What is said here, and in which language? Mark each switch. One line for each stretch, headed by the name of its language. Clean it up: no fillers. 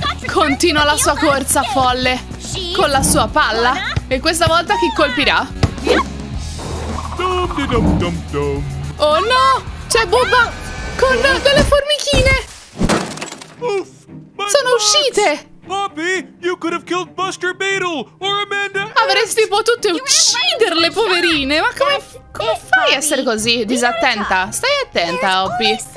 Italian: Continua la sua corsa folle con la sua palla. E questa volta chi colpirà? Oh no! C'è Bubba con le formichine! Sono uscite!
English: Oppy, you could have killed Buster Beetle or Amanda.
Italian: Avresti potuto ucciderle, poverine. Ma come fai a essere così disattenta? Stai attenta, Oppy.